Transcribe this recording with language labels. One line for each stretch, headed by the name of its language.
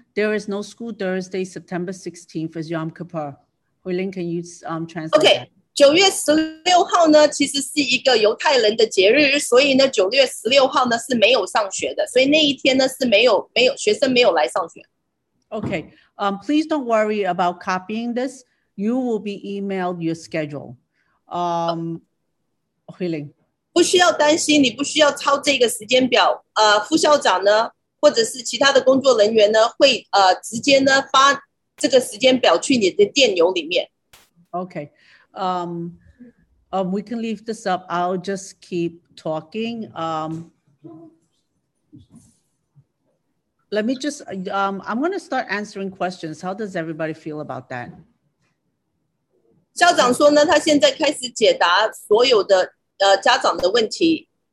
English: There is no school Thursday, September 16th is Yom Kippur. Huiling, can you translate okay. that?
Chinese: Okay, 9月16号呢其实是一个犹太人的节日，所以呢9月16号呢是没有上学的，所以那一天呢是没有学生没有来上学。
English: Okay, please don't worry about copying this. You will be emailed your schedule. Huiling.
Chinese: 不需要担心，你不需要抄这个时间表。副校长呢或者是其他的工作人员呢会直接呢发这个时间表去你的电邮里面。
English: OK, we can leave this up. I'll just keep talking. Let me just I'm going to start answering questions. How does everybody feel about that?
Chinese: 校长说呢他现在开始解答所有的家长的问题。